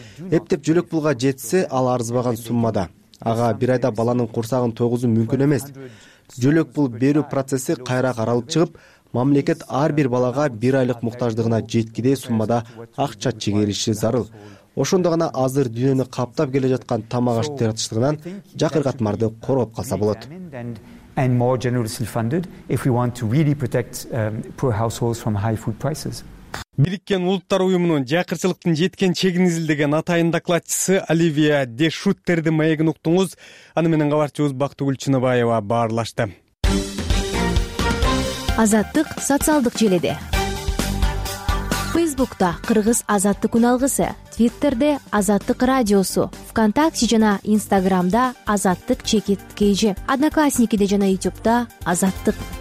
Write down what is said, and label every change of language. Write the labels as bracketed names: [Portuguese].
[Kyrgyz] Эптеп жүлөк пулга жетсе, ал арызбаган суммада. Ага бир айда баланын курсагын тойгузуу мүмкүн эмес. Жүлөк пул берүү процесси кайра каралып чыгып, мамлекет ар бир балага бир айлык муктаждыгына жеткидей суммада акча чегериши зарыл. Ошондо гана азыр дүйнөнү каптап келе жаткан тамак аш тартыштыгынан жакыргатмарды коргоп калса болот. [English] And more generously funded if we want to really protect poor households from high food prices. [Kyrgyz] Бириккен улуттар уюмунун жакырчылыктын жеткен чегин изилдеген атайын докладчысы Оливия де Шуттерди маегин уктуңуз. Аны менен кабарчыбыз Бактыгүл Чыныбаева баарлашты. Азаттык социалдык желеде. Фейсбукта Кыргыз Азаттык Уналгысы, Твиттерде Азаттык Радиосу, ВКонтакте жана Инстаграмда Азаттык Чекит КЖ, Одноклассникиде жана Ютубта Азаттык.